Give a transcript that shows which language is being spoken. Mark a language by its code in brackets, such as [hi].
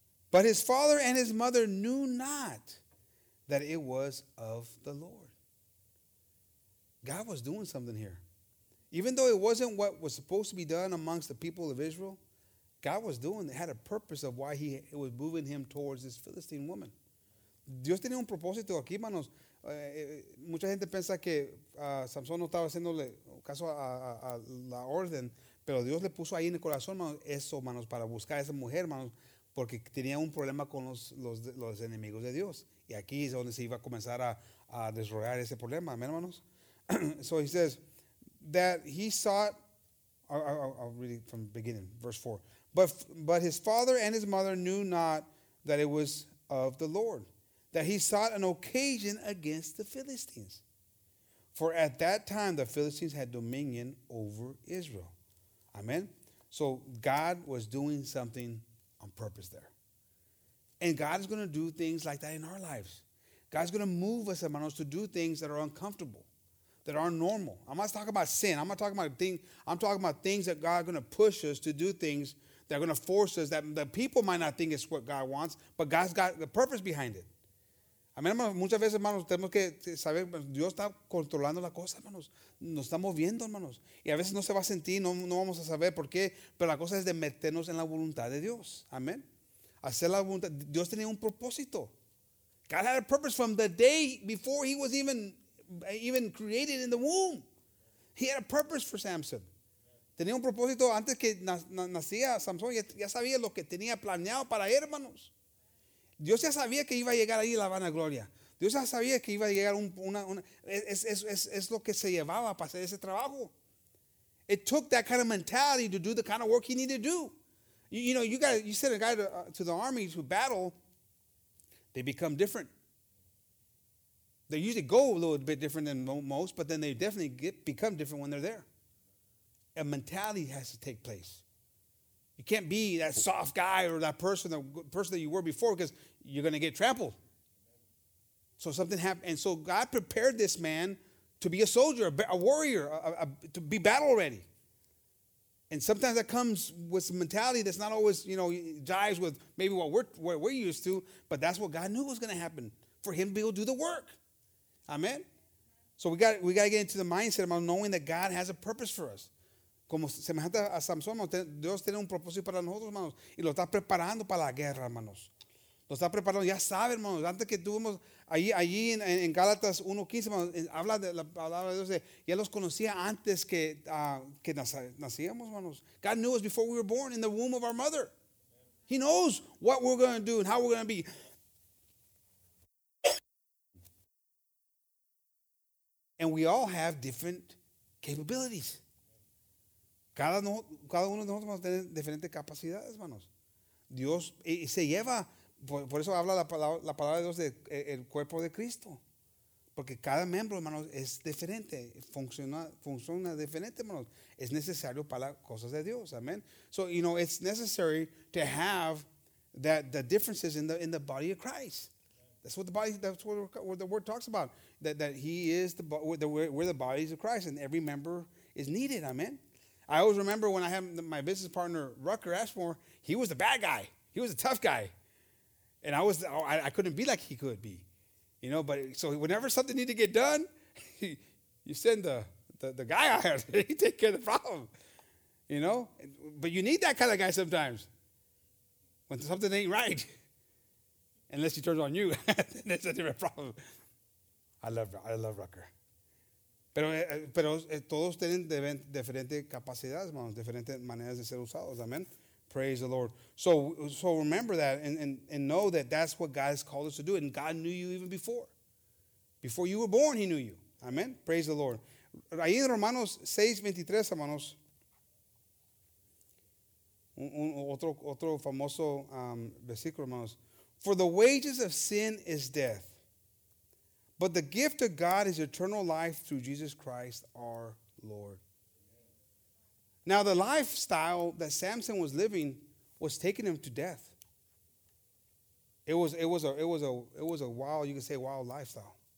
[en] But his father and his mother knew not that it was of the Lord. God was doing something here. Even though it wasn't what was supposed to be done amongst the people of Israel, God was doing it, had a purpose of why it was moving him towards this Philistine woman. [es] Dios tenía un propósito aquí, hermanos. Mucha gente piensa que Samson no estaba haciéndole caso a la orden, pero Dios le puso ahí en el corazón, hermanos, eso, hermanos, para buscar a esa mujer, hermanos, porque tenía un problema con los enemigos de Dios. Y aquí es donde se iba a comenzar a desarrollar ese problema, hermanos. [en] So he says that he sought, I'll read it from the beginning, verse 4. But his father and his mother knew not that it was of the Lord, that he sought an occasion against the Philistines. For at that time, the Philistines had dominion over Israel. Amen? So God was doing something on purpose there. And God is going to do things like that in our lives. God's going to move us, hermanos, to do things that are uncomfortable, that aren't normal. I'm not talking about sin. I'm not talking about things. I'm talking about things that God is going to push us to do things that are going to force us, that the people might not think it's what God wants, but God's got the purpose behind it. [es] Amén, hermanos, muchas veces, hermanos, tenemos que saber, Dios está controlando la cosa, hermanos. Nos está moviendo, hermanos. Y a veces no se va a sentir, no vamos a saber por qué, pero la cosa es de meternos en la voluntad de Dios. Amén. Hacer la voluntad. Dios tenía un propósito. [en] God had a purpose from the day before he was even created in the womb. He had a purpose for Samson. [es] Tenía un propósito antes que nacía Samson. Ya sabía lo que tenía planeado para él, hermanos. Dios ya sabía que iba a llegar ahí la vanagloria. Dios ya sabía que iba a llegar es lo que se llevaba para hacer ese trabajo. [en] It took that kind of mentality to do the kind of work he needed to do. You send a guy to the army to battle, they become different. They usually go a little bit different than most, but then they definitely become different when they're there. A mentality has to take place. You can't be that soft guy or that person, the person that you were before, because you're going to get trampled. So something happened. And so God prepared this man to be a soldier, a warrior, to be battle ready. And sometimes that comes with a mentality that's not always, jives with maybe what we're used to, but that's what God knew was going to happen for him to be able to do the work. Amen. So we got to get into the mindset about knowing that God has a purpose for us. [es] Como semejante a Samson, Dios tiene un propósito para nosotros, hermanos, y lo está preparando para la guerra, hermanos. Lo está preparando, ya sabe, hermanos, antes que tuvimos allí en Gálatas 1:15, hermanos, habla de la palabra de Dios, ya los conocía antes que nacíamos, hermanos. [en] God knew us before we were born in the womb of our mother. He knows what we're going to do and how we're going to be. And we all have different capabilities. [es] Cada uno de nosotros va a tener diferentes capacidades, hermanos. Dios se lleva, por eso habla la palabra de Dios del cuerpo de Cristo. Porque cada miembro, hermanos, es diferente, funciona diferente, hermanos. Es necesario para las cosas de Dios, amén. [en] So, it's necessary to have the differences in the body of Christ. That's what the word talks about. That he is we're the bodies of Christ, and every member is needed. Amen. I always remember when I had my business partner Rucker Ashmore. He was the bad guy. He was a tough guy, and I couldn't be like he could be, But so whenever something needed to get done, you send the guy I had. He take care of the problem, But you need that kind of guy sometimes when something ain't right. Unless he turns on you, that's a different problem. I love Rucker. [es] Pero todos tienen diferentes capacidades, hermanos, diferentes maneras de ser usados. Amen. [en] Praise the Lord. So remember that and know that that's what God has called us to do. And God knew you even before. Before you were born, he knew you. Amen. Praise the Lord. [es] Ahí en Romanos 6:23, hermanos, otro famoso versículo, hermanos. [en] For the wages of sin is death, but the gift of God is eternal life through Jesus Christ our Lord. Now, the lifestyle that Samson was living was taking him to death. It was a wild, you could say, wild lifestyle.